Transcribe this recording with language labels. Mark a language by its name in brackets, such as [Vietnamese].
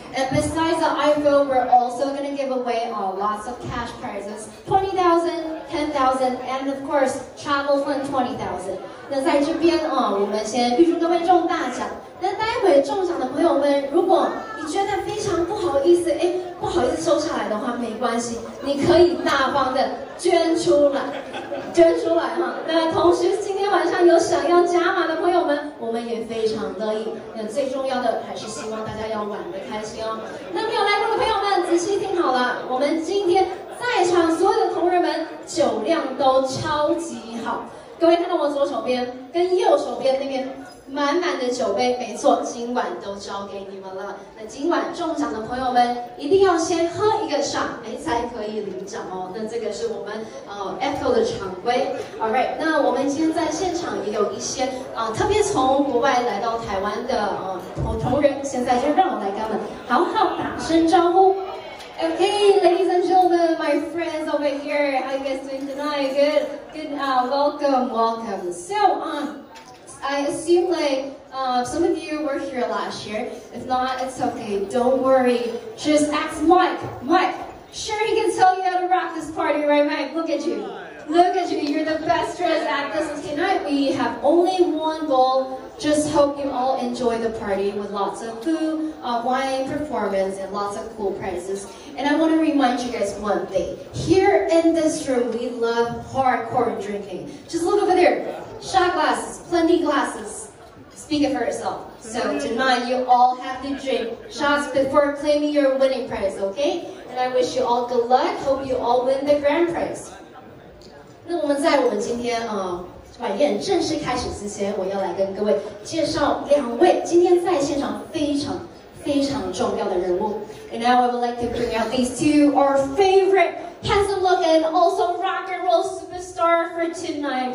[English] And besides the iPhone, we're also going to give away lots of cash prizes. 20,000, 10,000, and of course, travel fund 20,000. [Chinese] 那在这边啊，我们先预祝各位中大奖。那待会中奖的朋友们，如果你觉得非常不好意思，不好意思收下来的话，没关系，你可以大方的捐出来哈。那同时，今天晚上有想要加码的朋友们，我们也非常乐意。那最重要的还是希望大家要玩得开心哦。那没有来过的朋友们，仔细听好了，我们今天在场所有的同仁们酒量都超级好。各位看到我左手边跟右手边那边满满的酒杯，没错，今晚都交给你们了。那今晚中奖的朋友们一定要先喝一个上，才可以领奖哦。那这个是我们EFCO 的常规。All right， 那我们今天在现场也有一些特别从国外来到台湾的同仁，现在就让我来跟他们好好打声招呼。 [English] Okay, ladies and gentlemen, my friends over here, how are you guys doing tonight? Good, welcome. So, I assume some of you were here last year. If not, it's okay, don't worry. Just ask Mike, sure he can tell you how to rock this party, right Mike? Look at you, you're the best dressed at this tonight. We have only one goal, just hope you all enjoy the party with lots of food, wine performance, and lots of cool prizes. And I want to remind you guys one thing. Here in this room, we love hardcore drinking. Just look over there. Shot glasses, plenty glasses. Speak it for yourself. So tonight, you all have to drink shots before claiming your winning prize, okay? And I wish you all good luck. Hope you all win the grand prize. [Chinese] 那我们在我们今天晚宴正式开始之前，我要来跟各位介绍两位今天在现场非常非常重要的人物。 [English] And now I would like to bring out these two, our favorite handsome looking, also rock and roll superstar for tonight.